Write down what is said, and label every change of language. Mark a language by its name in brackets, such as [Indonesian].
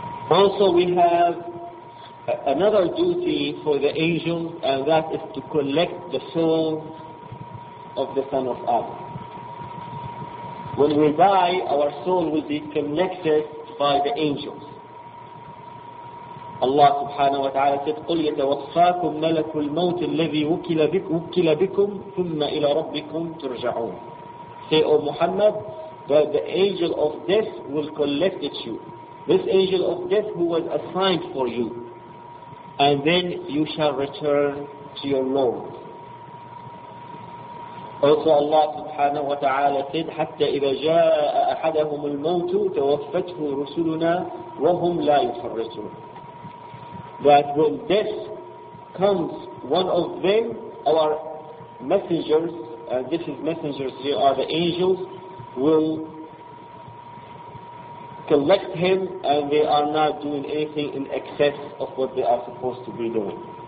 [English] Also, we have another duty for the angels, and that is to collect the souls of the Son of Adam. When we die, our soul will be collected by the angels. Allah subhanahu wa ta'ala said, [Arabic] قُلْ يَتَوَفَّاكُمْ مَلَكُ الْمَوْتِ الَّذِي وُكِّلَ بِكُمْ ثُمَّ إِلَى رَبِّكُمْ تُرْجَعُونَ. [English] Say, O Muhammad, that the angel of death will collect you. This angel of death who was assigned for you. And then you shall return to your Lord. Also Allah subhanahu wa ta'ala said, [Arabic] حَتَّى إِذَا جَاءَ أَحَدَهُمُ الْمَوْتُ تَوَفَّتْهُ رُسُلُنَا وَهُمْ لَا يُفَرِّطُونَ. [English] That when death comes, one of them, our messengers, and this is messengers, they are the angels, will collect him, and they are not doing anything in excess of what they are supposed to be doing.